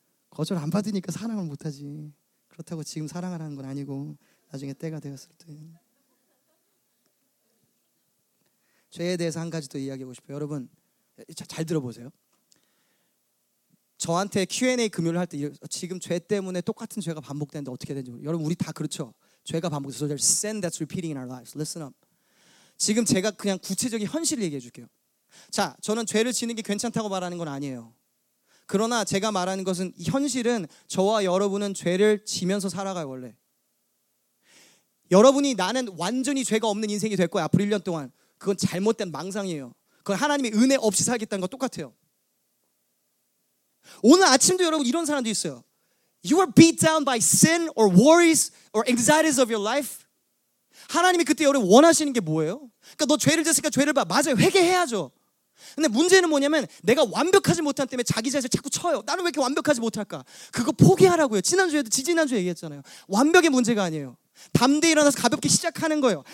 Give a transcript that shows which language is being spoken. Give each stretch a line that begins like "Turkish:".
Korean: 거절 안 받으니까 사랑을 못하지. 그렇다고 지금 사랑을 하는 건 아니고 나중에 때가 되었을 때. 죄에 대해서 한 가지 더 이야기하고 싶어요. 여러분, 잘 들어보세요. 저한테 Q&A 금요일 할 때 지금 죄 때문에 똑같은 죄가 반복되는데 어떻게 되는지 모르겠어요. 여러분 우리 다 그렇죠. 죄가 반복돼서
English: sin that's repeating in our lives. Listen up.
Korean: 지금 제가 그냥 구체적인 현실을 얘기해 줄게요. 자, 저는 죄를 지는 게 괜찮다고 말하는 건 아니에요. 그러나 제가 말하는 것은 현실은 저와 여러분은 죄를 지면서 살아가요 원래. 여러분이 나는 완전히 죄가 없는 인생이 될 거야 앞으로 1년 동안. 그건 잘못된 망상이에요. 그건 하나님의 은혜 없이 살겠다는 거 똑같아요. 오늘 아침도 여러분 이런 사람도 있어요.
English: You are beat down by sin or worries or anxieties of your life.
Korean: 하나님이 그때 여러분 원하시는 게 뭐예요? 그러니까 너 죄를 지었으니까 죄를 봐. 맞아요. 회개해야죠. 근데 문제는 뭐냐면 내가 완벽하지 못한 때문에 자기 자신을 자꾸 쳐요. 나는 왜 이렇게 완벽하지 못할까? 그거 포기하라고요. 지난주에도 지난주에 얘기했잖아요. 완벽의 문제가 아니에요. 담대히 일어나서 가볍게 시작하는 거예요.